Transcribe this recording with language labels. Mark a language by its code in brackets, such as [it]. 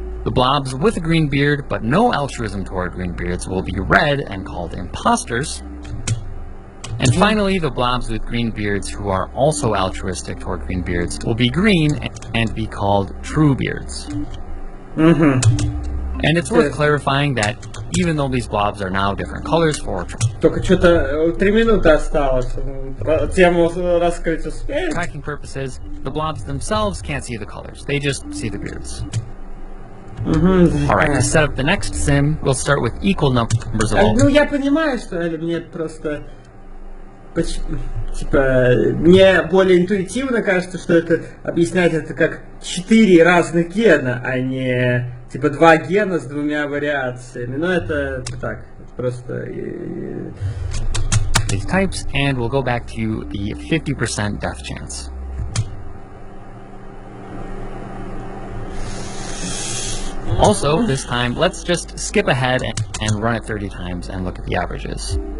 [en] The blobs with a green beard, but no altruism toward green beards, will be red and called imposters. And finally, the blobs with green beards who are also altruistic toward green beards will be green and be called true beards. Mm-hmm. And it's worth clarifying that even though these blobs are now different colors for... [ru] Только что-то 3 минуты осталось. Тему раскрыть успеем. [en] Tracking purposes, the blobs themselves can't see the colors. They just see the beards. Mm-hmm. Alright, to set up the next sim, we'll start with equal numbers of all. [ru] Ну, я понимаю, что это мне просто... Типа, мне более интуитивно кажется, что это объясняет это как 4 разных гена, а не, типа, 2 гена с 2 вариациями. Ну, это так, просто... [en] these types, and we'll go back to you the 50% death chance. Also, this time, let's just skip ahead and run it 30 times and look at the averages.